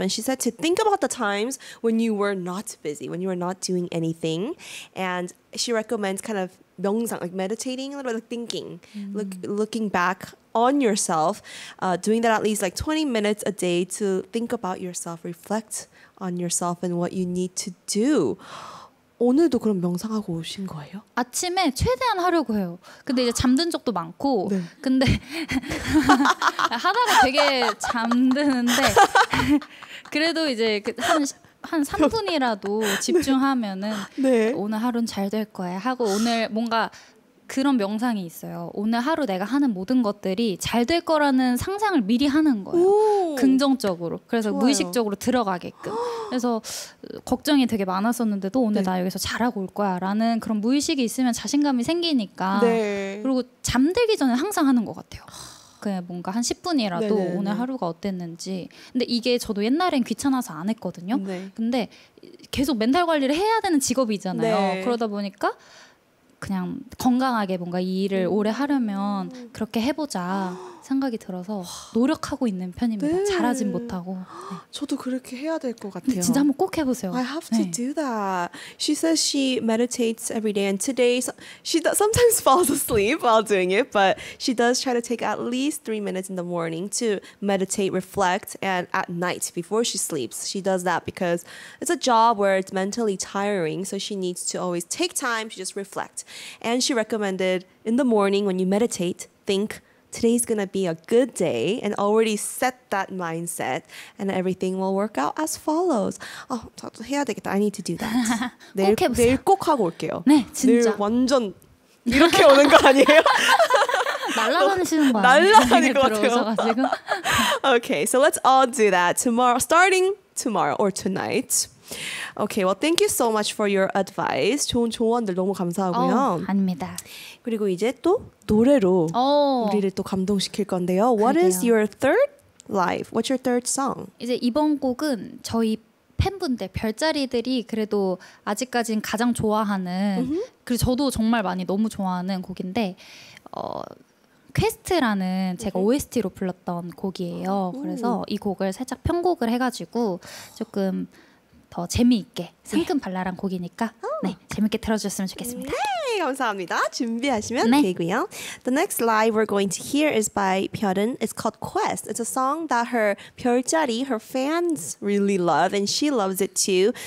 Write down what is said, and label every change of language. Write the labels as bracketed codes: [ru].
[en] And she said to think about the times when you were not busy, when you were not doing anything. And she recommends kind of 명상, like meditating a little bit, like thinking, looking back on yourself, doing that at least like 20 minutes a day to think about yourself, reflect on yourself and what you need to do. [ko] 오늘도 그럼 명상하고 오신 거예요? 아침에 최대한 하려고 해요. 근데 이제 잠든 적도 많고 네. 근데 하다가 되게 잠드는데 그래도 이제 한 3분이라도 집중하면은 네. 오늘 하루는 잘 될 거야 하고 오늘 뭔가 그런 명상이 있어요. 오늘 하루 내가 하는 모든 것들이 잘 될 거라는 상상을 미리 하는 거예요. 긍정적으로. 그래서 좋아요. 무의식적으로 들어가게끔. 그래서 걱정이 되게 많았었는데도 오늘 네. 나 여기서 잘하고 올 거야 라는 그런 무의식이 있으면 자신감이 생기니까 네. 그리고 잠들기 전에 항상 하는 것 같아요. 그냥 뭔가 한 10분이라도 네네네. 오늘 하루가 어땠는지. 근데 이게 저도 옛날엔 귀찮아서 안 했거든요. 네. 근데 계속 멘탈 관리를 해야 되는 직업이잖아요. 네. 그러다 보니까 그냥 건강하게 뭔가 이 일을 오래 하려면 그렇게 해보자 생각이 들어서 노력하고 있는 편입니다. 네. 잘하진 못하고. 저도 그렇게 해야 될 것 같아요. 진짜 한번 꼭 해보세요. I have to 네. do that. [en] She says she meditates every day and today she sometimes falls asleep while doing it, but she does try to take at least 3 minutes in the morning to meditate, reflect, and at night before she sleeps. She does that because it's a job where it's mentally tiring, so she needs to always take time to just reflect. And she recommended in the morning when you meditate, think, today's gonna be a good day, and already set that mindset, and everything will work out as follows. [ko] 아, 저도 해야 되겠다. [en] I need to do that. [ko] 내일, 꼭 해보세요. 내일 꼭 하고 올게요. 네, 진짜. 내일 완전 이렇게 오는 거 아니에요? 날라다니시는 거 아니에요? 날라다닐 것 같아요. 들어오셔가지고. [en] Okay, so let's all do that tomorrow, starting tomorrow or tonight. Okay, well, thank you so much for your advice. [ko] 좋은 조언들 너무 감사하고요. 아닙니다. 그리고 이제 또 노래로 우리를 또 감동시킬 건데요. [en] What 그래요. is your third live? What's your third song? [ko] 이제 이번 곡은 저희 팬분들, 별자리들이 그래도 아직까지는 가장 좋아하는 그리고 저도 정말 많이 너무 좋아하는 곡인데 퀘스트라는 제가 OST로 불렀던 곡이에요. 그래서 이 곡을 살짝 편곡을 해가지고 조금 더 재미있게 상큼 발랄한 곡이니까 네, 재밌게 들어주셨으면 좋겠습니다. 네, 감사합니다. 준비하시면 네. 되고요. [en] The next live we're going to hear is by 별은. It's called Quest. It's a song that her 별자리, her fans really love and she loves it too.